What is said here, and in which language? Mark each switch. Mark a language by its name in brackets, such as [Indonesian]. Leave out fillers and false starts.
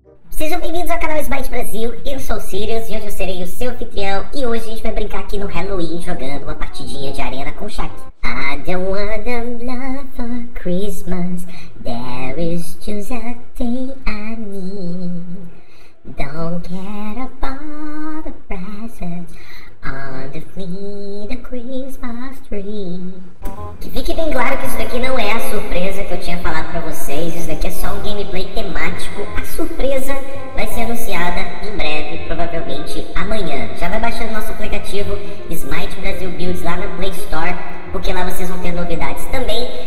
[Portuguese] Sejam bem-vindos ao canal Smite Brasil, eu sou o Sirius e hoje eu serei o seu anfitrião. E hoje a gente vai brincar aqui no Halloween jogando uma partidinha de arena com o Shaq. [English] I don't wanna love for Christmas, there is just a thing I need. Don't care about the presents on the fleet of Christmas tree. [Portuguese] Que fique bem claro que isso daqui não é a surpresa que eu tinha falado pra vocês, isso daqui é só um gameplay temático. A surpresa vai ser anunciada em breve, provavelmente amanhã. Já vai baixando nosso aplicativo Smite Brasil Builds lá na Play Store, porque lá vocês vão ter novidades também.